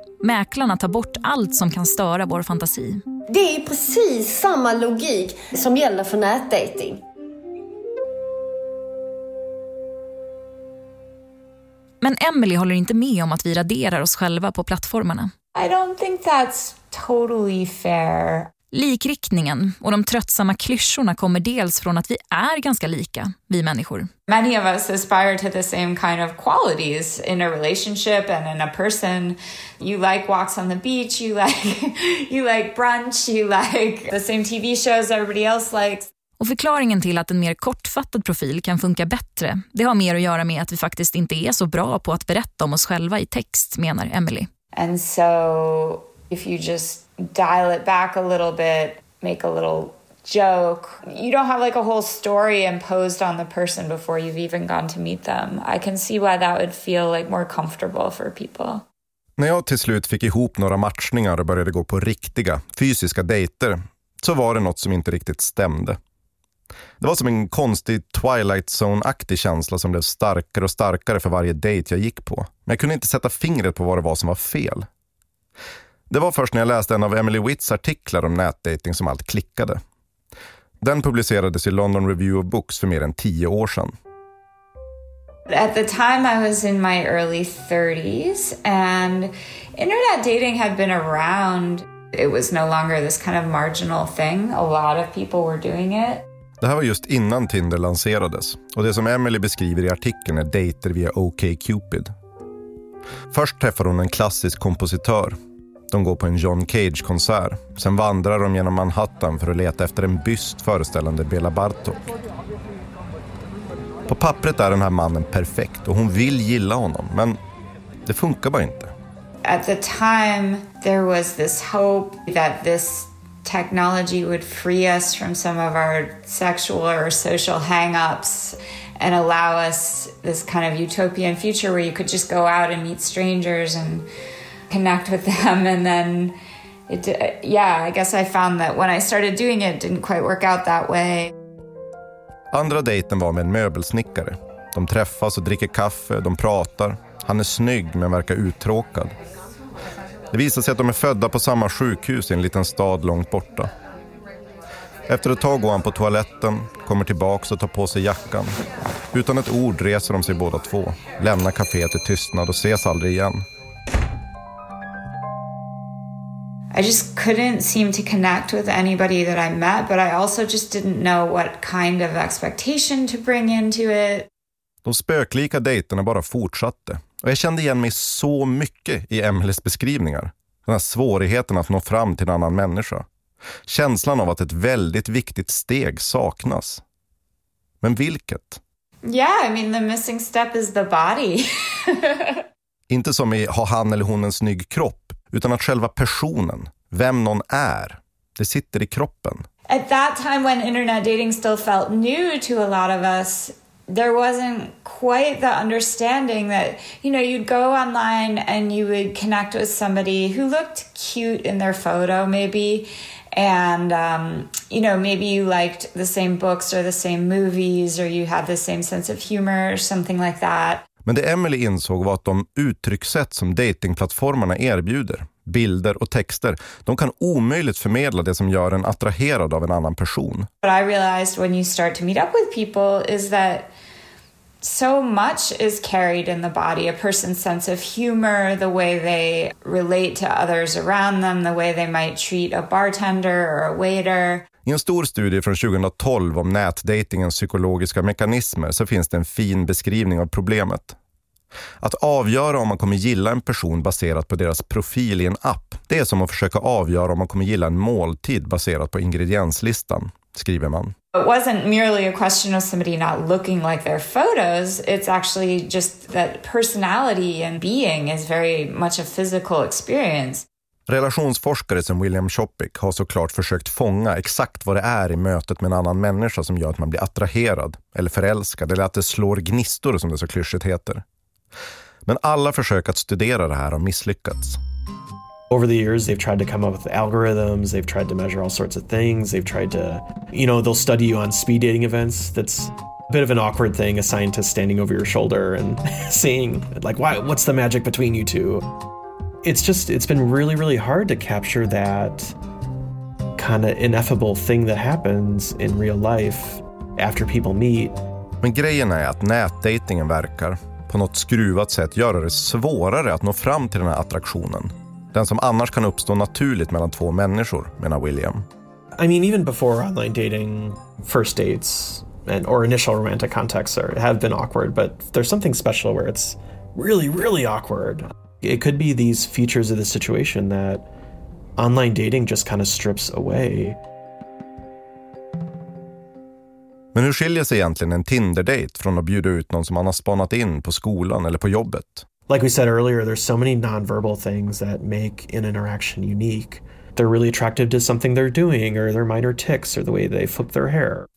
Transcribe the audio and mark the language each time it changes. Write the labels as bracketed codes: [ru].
[sv] Mäklarna tar bort allt som kan störa vår fantasi. Det är precis samma logik som gäller för nätdating. Men Emily håller inte med om att vi raderar oss själva på plattformarna. [en] I don't think that's totally fair. [sv] Likriktningen och de tröttsamma klyschorna kommer dels från att vi är ganska lika, vi människor. [en] Many of us aspire to the same kind of qualities in a relationship and in a person. You like walks on the beach, you like brunch, you like the same TV shows everybody else likes. [sv] Och förklaringen till att en mer kortfattad profil kan funka bättre, det har mer att göra med att vi faktiskt inte är så bra på att berätta om oss själva i text, menar Emily. [en] And so if you just dial it back a little bit, make a little joke, you don't have like a whole story imposed on the person before you've even gone to meet them. I can see why that would feel like more comfortable for people. [sv] När jag till slut fick ihop några matchningar och började gå på riktiga, fysiska dejter, så var det något som inte riktigt stämde. Det var som en konstig Twilight Zone-aktig känsla som blev starkare och starkare för varje dejt jag gick på. Men jag kunde inte sätta fingret på vad det var som var fel. Det var först när jag läste en av Emily Witts artiklar om nätdating som allt klickade. Den publicerades i London Review of Books för mer än 10 år sedan. [en] At the time I was in my early 30s and internet dating had been around. It was no longer this kind of marginal thing. A lot of people were doing it. [sv] Det här var just innan Tinder lanserades, och det som Emily beskriver i artikeln är dejter via OkCupid. Först träffar hon en klassisk kompositör. De går på en John Cage-konsert. Sen vandrar de genom Manhattan för att leta efter en byst föreställande Béla Bartók. På pappret är den här mannen perfekt och hon vill gilla honom, men det funkar bara inte. [en] At the time there was this hope that this technology would free us from some of our sexual or social hang-ups and allow us this kind of utopian future where you could just go out and meet strangers and connect with them. And then I guess I found that when I started doing it, it didn't quite work out that way. [sv] Andra dejten var med en möbelsnickare. De träffas och dricker kaffe, de pratar. Han är snygg men verkar uttråkad. Det visar sig att de är födda på samma sjukhus i en liten stad långt borta. Efter ett tag går han på toaletten, kommer tillbaka och tar på sig jackan. Utan ett ord reser de sig båda två, lämnar kaféet i tystnad och ses aldrig igen. [en] I just couldn't seem to connect with anybody that I met, but I also just didn't know what kind of expectation to bring into it. [sv] De spöklika dejterna bara fortsatte. Och jag kände igen mig så mycket i Emelies beskrivningar. Den här svårigheten att nå fram till en annan människa. Känslan av att ett väldigt viktigt steg saknas. Men vilket? [en] Yeah, I mean the missing step is the body. [sv] Inte som i ha han eller hon en snygg kropp. Utan att själva personen, vem någon är, det sitter i kroppen. [en] At that time when internet dating still felt new to a lot of us, there wasn't quite the understanding that, you know, you'd go online and you would connect with somebody who looked cute in their photo maybe, and you know, maybe you liked the same books or the same movies or you had the same sense of humor or something like that. [sv] Men det Emily insåg var att de uttryckssätt som datingplattformarna erbjuder, bilder och texter, de kan omöjligt förmedla det som gör en attraherad av en annan person. [en] What I realized when you start to meet up with people is that so much is carried in the body, a person's sense of humor, the way they relate to others around them, the way they might treat a bartender or a waiter. [sv] I en stor studie från 2012 om nätdatingens psykologiska mekanismer så finns det en fin beskrivning av problemet. Att avgöra om man kommer gilla en person baserat på deras profil i en app, det är som att försöka avgöra om man kommer gilla en måltid baserat på ingredienslistan, skriver man. [en] It wasn't merely a question of somebody not looking like their photos. It's actually just that personality and being is very much a physical experience. [sv] Relationsforskare som William Chopic har såklart försökt fånga exakt vad det är i mötet med en annan människa som gör att man blir attraherad eller förälskad eller att det slår gnistor som det så klyschigt heter. Men alla försök att studera det här har misslyckats. [en] Over the years they've tried to come up with algorithms, they've tried to measure all sorts of things, they've tried to, you know, they'll study you on speed dating events. That's a bit of an awkward thing, a scientist standing over your shoulder and seeing like why, what's the magic between you two? It's been really, really hard to capture that kind of ineffable thing that happens in real life after people meet. [sv] Men grejen är att nätdatingen verkar på något skruvat sätt göra det svårare att nå fram till den här attraktionen. Den som annars kan uppstå naturligt mellan två människor, menar William. [en] I mean, even before online dating, first dates and or initial romantic contacts have been awkward, but there's something special where it's really, really awkward. It could be these features of the situation that online dating just kind of strips away. [sv] Men hur skiljer sig egentligen en Tinder-date från att bjuda ut någon som man har spanat in på skolan eller på jobbet? [en] Like we said earlier, there's so many nonverbal things that make an interaction unique. They're really attractive to something they're doing or their minor tics or the way they flip their hair.